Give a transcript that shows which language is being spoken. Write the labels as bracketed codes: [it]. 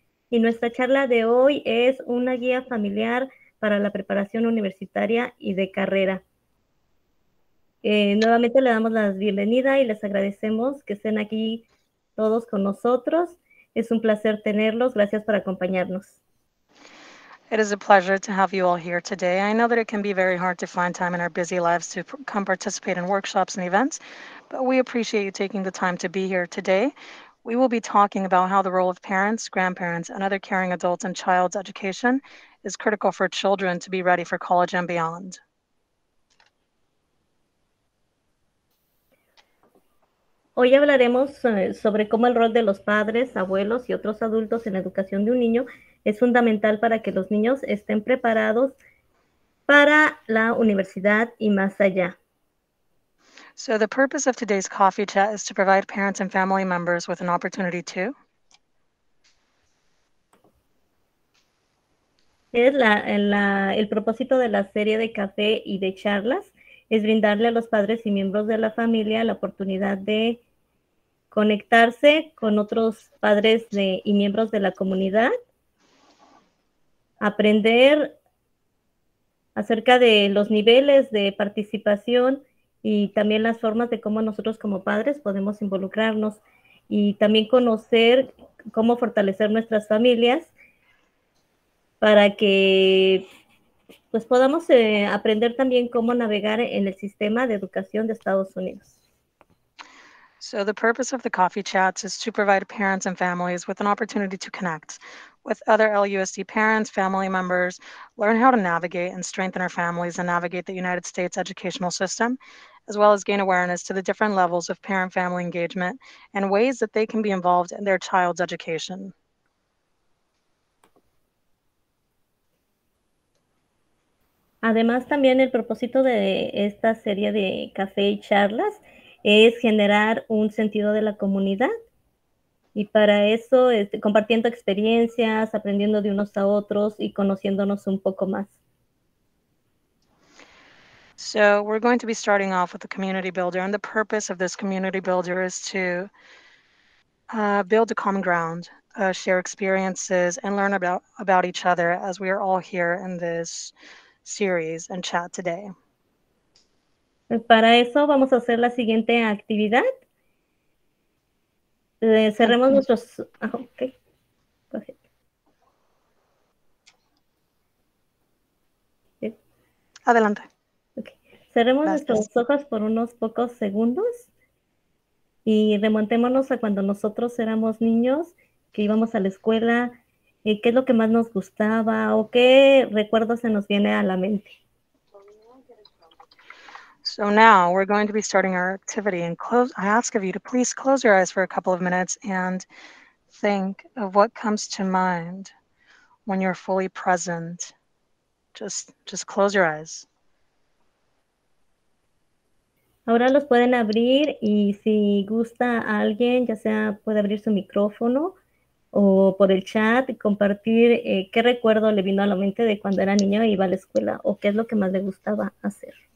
[es] Y nuestra charla de hoy es una guía familiar para la preparación universitaria y de carrera. Nuevamente le damos la bienvenida y les agradecemos que estén aquí todos con nosotros. Es un placer tenerlos. Gracias por acompañarnos. [en] It is a pleasure to have you all here today. I know that it can be very hard to find time in our busy lives to come participate in workshops and events, but we appreciate you taking the time to be here today. We will be talking about how the role of parents, grandparents, and other caring adults in child's education is critical for children to be ready for college and beyond. [es] Hoy hablaremos sobre cómo el rol de los padres, abuelos y otros adultos en la educación de un niño es fundamental para que los niños estén preparados para la universidad y más allá. [en] So the purpose of today's coffee chat is to provide parents and family members with an opportunity to [es] El propósito de la serie de café y de charlas es brindarle a los padres y miembros de la familia la oportunidad de conectarse con otros padres y miembros de la comunidad, aprender acerca de los niveles de participación y también las formas de cómo nosotros como padres podemos involucrarnos y también conocer cómo fortalecer nuestras familias para que pues podamos aprender también cómo navegar en el sistema de educación de Estados Unidos. [en] So the purpose of the coffee chats is to provide parents and families with an opportunity to connect with other LUSD parents, family members, learn how to navigate and strengthen our families and navigate the United States educational system, as well as gain awareness to the different levels of parent-family engagement and ways that they can be involved in their child's education. [es] Además, también el propósito de esta serie de café y charlas es generar un sentido de la comunidad y para eso compartiendo experiencias, aprendiendo de unos a otros y conociéndonos un poco más. [en] So we're going to be starting off with the community builder and the purpose of this community builder is to build a common ground, share experiences and learn about each other as we are all here in this series and chat today. [es] Para eso vamos a hacer la siguiente actividad. Cerremos nuestros... [en] Okay. Go ahead. [es] Yeah. Adelante. [en] Okay. [es] Cerremos nuestros ojos por unos pocos segundos y remontémonos a cuando nosotros éramos niños que íbamos a la escuela, qué es lo que más nos gustaba o qué recuerdos se nos viene a la mente. [en] So now we're going to be starting our activity and close. I ask of you to please close your eyes for a couple of minutes and think of what comes to mind when you're fully present. Just close your eyes. [es] Ahora los pueden abrir y si gusta a alguien, ya sea puede abrir su micrófono o por el chat y compartir qué recuerdo le vino a la mente de cuando era niño e iba a la escuela o qué es lo que más le gustaba hacer.